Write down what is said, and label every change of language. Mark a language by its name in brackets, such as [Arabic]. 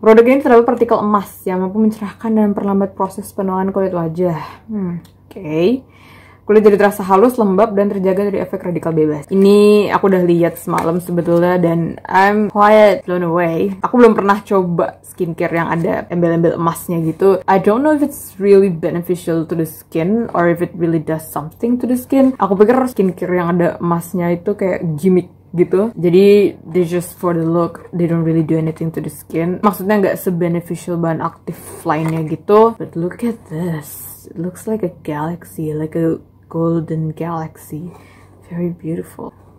[Indonesian] Produk ini terdapat partikel emas yang mampu mencerahkan dan memperlambat proses penuaan kulit wajah. Okay. Kulit jadi terasa halus, lembab, dan terjaga dari efek radikal bebas. Ini aku udah lihat semalam sebetulnya, dan [English] I'm quite blown away. [Indonesian] Aku belum pernah coba skincare yang ada embel-embel emasnya gitu. [English] I don't know if it's really beneficial to the skin, or if it really does something to the skin. [Indonesian] Aku pikir skincare yang ada emasnya itu kayak gimmick gitu. Jadi, [English] they just for the look, they don't really do anything to the skin. [Indonesian] Maksudnya nggak se-beneficial bahan aktif lainnya gitu. [English] But look at this. It looks like a galaxy, like a golden galaxy. Very beautiful.